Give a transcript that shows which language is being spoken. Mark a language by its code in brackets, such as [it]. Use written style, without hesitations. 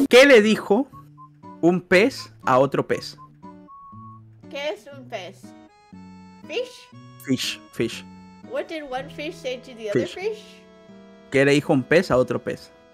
[es] ¿Qué le dijo un pez a otro pez? ¿Qué es un pez? ¿Fish? [en] Fish. What did one fish say to the fish. Other fish? [es] ¿Qué le dijo un pez a otro pez?